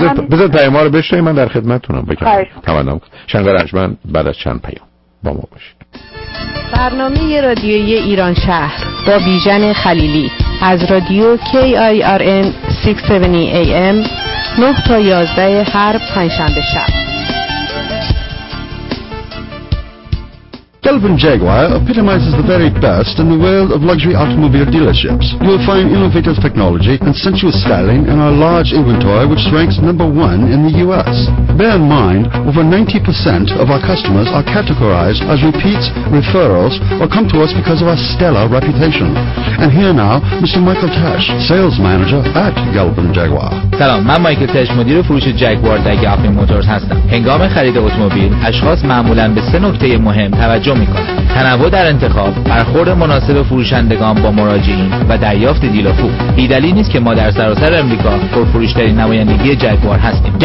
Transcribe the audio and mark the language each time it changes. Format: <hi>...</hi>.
<fa>بذار پیام ها رو بشنوید، من در خدمتتونم. تمام شنگر ارجمند بعد از چند پیام با ما باشید. برنامه رادیویی ایران شهر با بیژن خلیلی از رادیو KIRN 670 AM 9 تا 11 هر پنجشنبه شب.</fa> <en>Kelvin Jaguar epitomizes the very best in the world of luxury automobile dealerships. You will find innovative technology and sensuous styling in our large inventory, which ranks number one in the U.S. Bear in mind, over 90% of our customers are categorized as repeats, referrals, or come to us because of our stellar reputation. And here now, Mr. Michael Tesh, sales manager at Kelvin Jaguar.</en> <fa>سلام، من مایکل تش، مدیر فروش جگوار در گلفین موتورز هستم. هنگام خرید اتومبیل، اشخاص معمولاً به سه نکته مهم توجه می‌کنند: تنوع در انتخاب، برخورد مناسب فروشندگان با مراجعین و دریافت دیل و فول. بی‌دلیل نیست که ما در سراسر آمریکا پرفروش‌ترین نمایندگی جگوار هستیم.</fa>